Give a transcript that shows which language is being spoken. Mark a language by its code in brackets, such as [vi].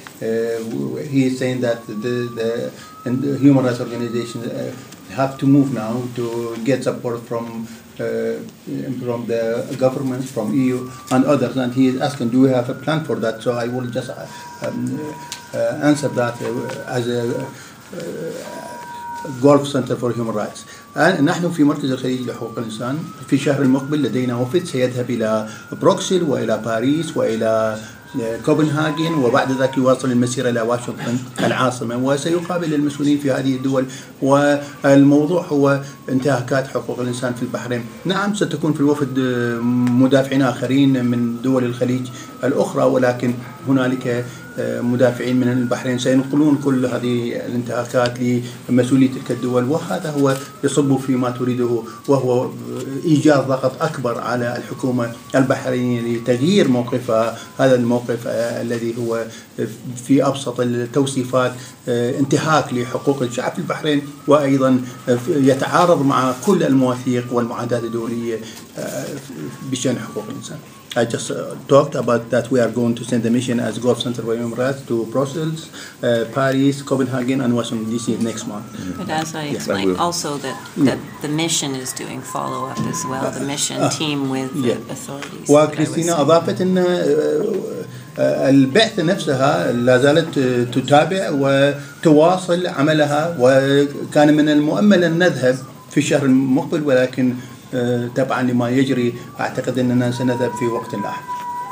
[en] He is saying that the human rights organizations have to move now to get support from the governments, from EU and others. And he is asking, do we have a plan for that? So I will just answer that as a Gulf Center for Human Rights. [ar] نحن في مركز الخليج لحقوق الإنسان في الشهر المقبل لدينا وفد سيذهب إلى بروكسل وإلى باريس وإلى كوبنهاجن وبعد ذلك يواصل المسيرة إلى واشنطن العاصمة وسيقابل المسؤولين في هذه الدول والموضوع هو انتهاكات حقوق الإنسان في البحرين. نعم ستكون في الوفد مدافعين آخرين من دول الخليج الأخرى ولكن هنالك مدافعين من البحرين سينقلون كل هذه الانتهاكات لمسؤولي تلك الدول وهذا هو يصب فيما تريده وهو إيجاد ضغط أكبر على الحكومة البحرينية لتغيير موقفها هذا الموقف الذي هو في أبسط التوصيفات انتهاك لحقوق الشعب البحرين وأيضا يتعارض مع كل المواثيق والمعاهدات الدولية بشأن حقوق الإنسان. [en] I just talked about that we are going to send a mission as Gulf Center for Human Rights to Brussels, Paris, Copenhagen, and Washington, D.C. next month. But as I explained, yeah. Also that the mission is doing follow-up as well, the mission team with yeah. the authorities. [ar] Well, Christina, أضافت أن البعثة نفسها لا زالت تتابع وتواصل عملها وكان من المؤمل أن نذهب في الشهر المقبل ولكن تبعا لما يجري أعتقد أننا سنذهب في وقت لاحق.